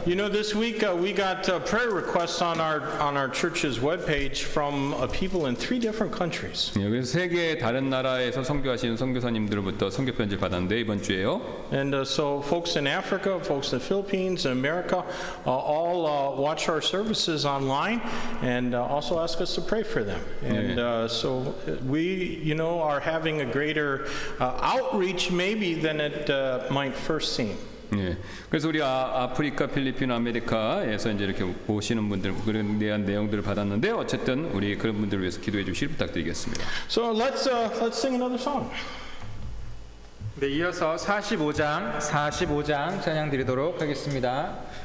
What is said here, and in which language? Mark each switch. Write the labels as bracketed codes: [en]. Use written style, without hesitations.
[en] You know, this week we got prayer requests on our church's webpage from people in three different countries. [ko] 네, 여기 세 개의 다른 나라에서 선교하시는 선교사님들로부터 선교 편지 받았는데 이번 주에요. [en] And so folks in Africa, folks in the Philippines, America, all watch our services online and also ask us to pray for them. And 네. So we, you know, are having a greater outreach maybe than it might first seem. [ko] 예, 그래서 우리 아프리카, 필리핀, 아메리카에서 이제 이렇게 보시는 분들 그런 대한 내용들을 받았는데 어쨌든 우리 그런 분들을 위해서 기도해 주시길 부탁드리겠습니다. [en] So let's sing another song. [ko] 네, 이어서 45장 찬양 드리도록 하겠습니다.